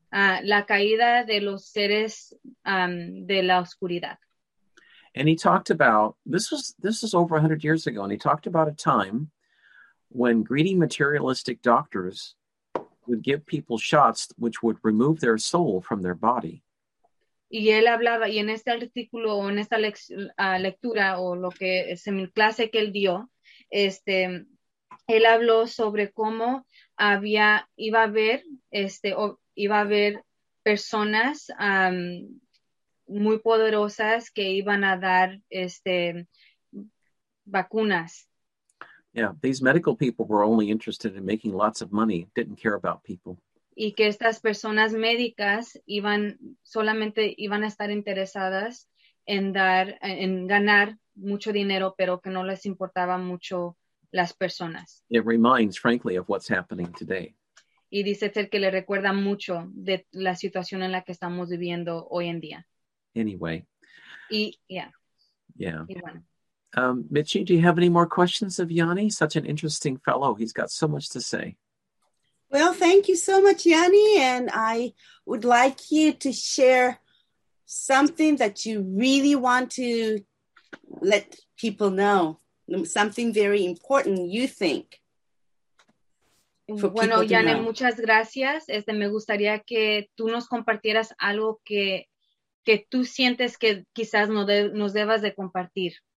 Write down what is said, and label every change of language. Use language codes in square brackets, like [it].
[es] La caída de los seres de la oscuridad. [en] And he talked about, this was over 100 years ago, and he talked about a time when greedy materialistic doctors would give people shots which would remove their soul from their body. [es] Y él hablaba, y en este artículo, o en esta lectura, o lo que es en clase que él dio, él habló sobre cómo iba a haber personas muy poderosas que iban a dar vacunas. [en] Yeah, these medical people were only interested in making lots of money, didn't care about people. [es] Y que estas personas médicas iban a estar interesadas en ganar mucho dinero, pero que no les importaba mucho las personas. [en] It reminds, frankly, of what's happening today. [es] Y dice Ted que le recuerda mucho de la situación en la que estamos viviendo hoy en día. [en] Anyway. [es] Y bueno. [en] Michi, do you have any more questions of Janne? Such an interesting fellow. He's got so much to say. Well, thank you so much, Janne, and I would like you to share something that you really want to let people know, something very important you think. [es] Bueno, Janne, muchas gracias. Me gustaría que tú nos compartieras algo que que tú sientes que quizás no nos debas de compartir.